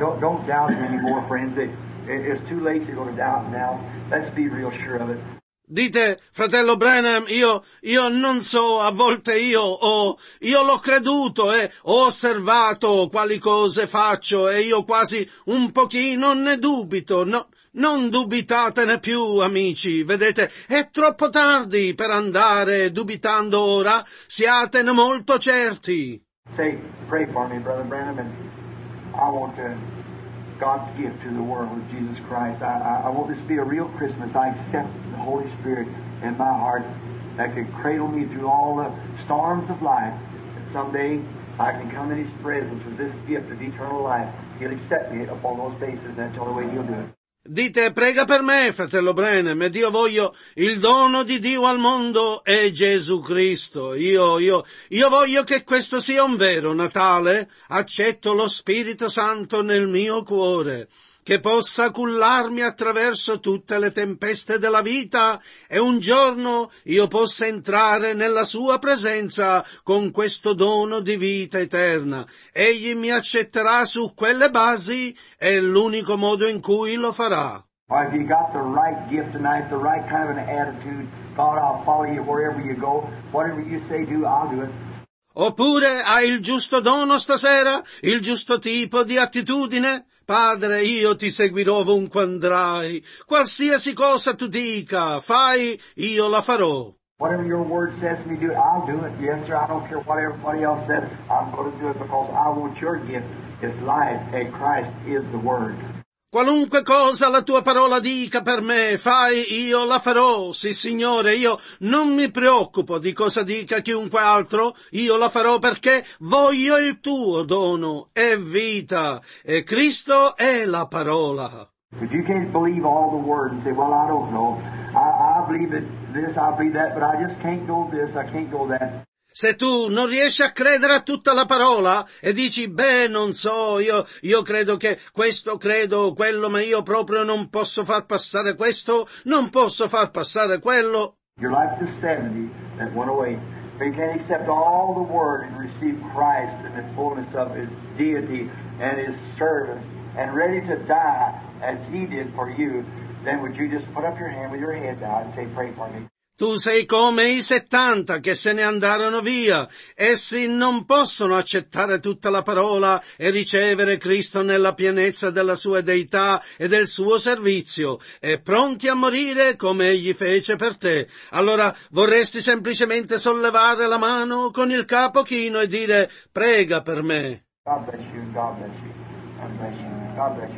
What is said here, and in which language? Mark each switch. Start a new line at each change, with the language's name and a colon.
English: Don't doubt me anymore, friends. It's too late to go to doubt now. Let's be real sure of it.
Italian: Dite, fratello Branham, io non so, a volte io l'ho creduto e ho osservato quali cose faccio e io quasi un pochino ne dubito. No, non dubitatene più, amici, vedete, è troppo tardi per andare dubitando ora, siatene molto certi.
English: Say, pray for me, brother Branham, and I want to... God's gift to the world with Jesus Christ. I want this to be a real Christmas. I accept the Holy Spirit in my heart that could cradle me through all the storms of life. And someday I can come in His presence with this gift of eternal life. He'll accept me upon those bases. That's the only way He'll do it.
Italian: Dite, prega per me, fratello Branham, ed io voglio il dono di Dio al mondo è Gesù Cristo. Io voglio che questo sia un vero Natale. Accetto lo Spirito Santo nel mio cuore, che possa cullarmi attraverso tutte le tempeste della vita e un giorno io possa entrare nella sua presenza con questo dono di vita eterna. Egli mi accetterà su quelle basi, è l'unico modo in cui lo farà.
English: Well, if you got the right gift tonight, the right kind of an attitude, God, I'll follow you wherever you go, whatever you say do, I'll do it.
Italian: Oppure hai il giusto dono stasera, il giusto tipo di attitudine? Padre, io ti seguirò ovunque andrai. Qualsiasi cosa tu dica, fai, io la farò.
English: Whatever your word says me do, I'll do it. Yes, sir, I don't care what everybody else says. I'm going to do it because I want your gift. It's life, and Christ is the word.
Italian: Qualunque cosa la tua parola dica per me, fai, io la farò. Sì, Signore, io non mi preoccupo di cosa dica chiunque altro, io la farò perché voglio il tuo dono, è vita, e Cristo è la parola.
English: But you can't believe all the words and say, well, I don't know, I believe it this, I believe that, but I just can't go this, I can't go that.
Italian: Se tu non riesci a credere a tutta la parola e dici, beh, non so, io credo che questo, credo quello, ma io proprio non posso far passare questo, non posso far passare quello.
English: You're like the 70 that went away. They can't accept all the word and receive Christ in the fullness of His deity and His service and ready to die as He did for you. Then would you just put up your hand with your head down and say, pray for me.
Italian: Tu sei come i 70 che se ne andarono via. Essi non possono accettare tutta la parola e ricevere Cristo nella pienezza della sua deità e del suo servizio. E pronti a morire come egli fece per te. Allora vorresti semplicemente sollevare la mano con il capo chino e dire, prega per me.
English: God bless you, God bless you, God bless you, God bless you.